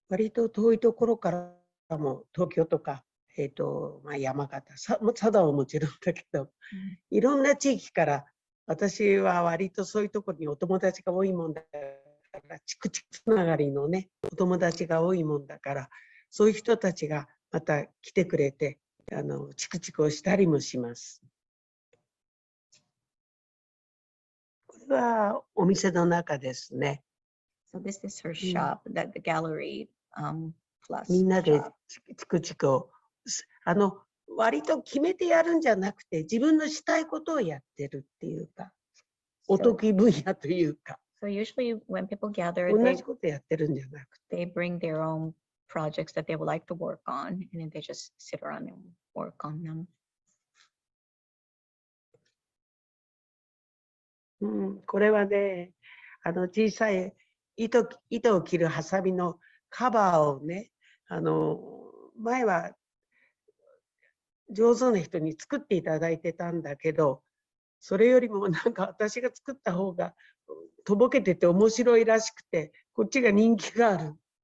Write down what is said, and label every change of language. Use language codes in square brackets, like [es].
[ja] 割と遠いところからも、東京とか、まあ山形、佐渡はもちろんだけど、いろんな地域から、私は割とそういうところにお友達が多いもんだから、チクチクつながりのね、お友達が多いもんだから、そういう人たちがまた来てくれて、チクチクをしたりもします。これはお店の中ですね。 [en] So this is her shop, the gallery, plus. [ja] みんなでチクチクを、割と決めてやるんじゃなくて、自分のしたいことをやってるっていうか、お得意分野というか。 [en] So usually when people gather, [ja] 同じことやってるんじゃなくて。 [en] They bring their own projects that they would like to work on, and then they just sit around and work on them. [ja] これはね、小さい糸を切るハサミのカバーをね、前は上手な人に作っていただいてたんだけど、それよりもなんか私が作った方がとぼけてて面白いらしくて、こっちが人気がある。